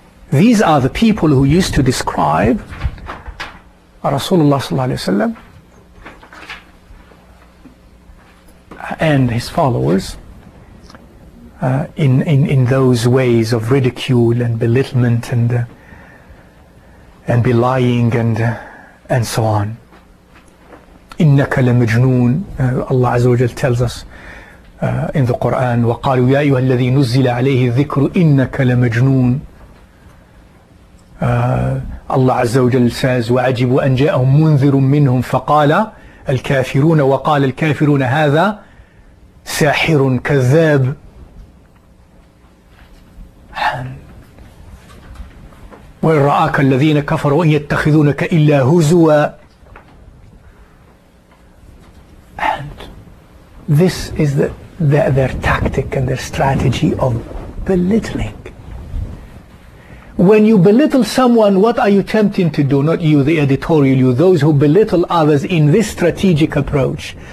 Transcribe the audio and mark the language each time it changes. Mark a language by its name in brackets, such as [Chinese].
[English] These are the people who used to describe Rasulullah sallallahu alaihi wasallam and his followers in those ways of ridicule and belittlement and belying and so on. [Arabic] إِنَّكَ لَمَجْنُونَ [English] Allah Azza wa Jalla tells us in the Quran, [Arabic] وَقَالُوا يَا أَيُّهَا الَّذِي نُزِّلَ عَلَيْهِ الذِّكْرُ إِنَّكَ لَمَجْنُونَ [English] Allah Azza wa Jalla says, [Arabic] وَعَجِبُوا أَنْ جَاءَهُمْ مُنذِرٌ مِّنْهُمْ فَقَالَ الْكَافِرُونَ وَقَالَ الْكَافِرُونَ هَذَا سَاحِرٌ كَذَّابٌ وَإِنْ رَآكَ الَّذِينَ كَفَرُوا إِنْ يَتَّخِذُونَكَ إِلَّا هُزُوًا. [English] And this is their tactic and their strategy of belittling. When you belittle someone, what are you tempting to do? Not you, the editorial, you, those who belittle others in this strategic approach.